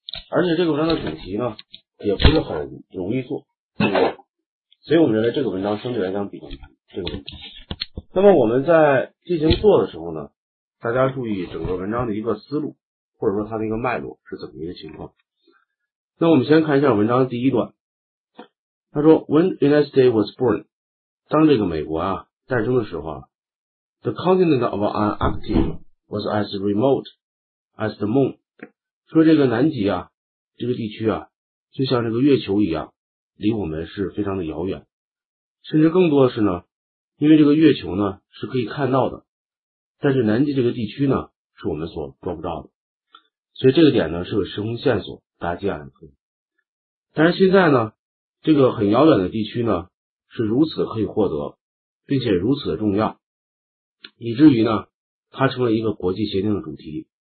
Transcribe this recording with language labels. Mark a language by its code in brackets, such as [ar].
[zh] 而且这个文章的主题呢，也不是很容易做，所以我们认为这个文章相对来讲比较难。这个问题。那么我们在进行做的时候呢，大家注意整个文章的一个思路，或者说它的一个脉络是怎么一个情况。那我们先看一下文章的第一段。 [en] 他说 When the United States was born, [zh] 当这个美国啊诞生的时候啊， [en] The continent of Antarctica was as remote as the moon. [zh] 说这个南极啊这个地区啊就像这个月球一样，离我们是非常的遥远。甚至更多的是呢，因为这个月球呢是可以看到的，但是南极这个地区呢是我们所抓不到的。所以这个点呢是个时空线索，大家记下来可以。但是现在呢，这个很遥远的地区呢是如此的可以获得，并且如此的重要，以至于呢它成了一个国际协定的主题。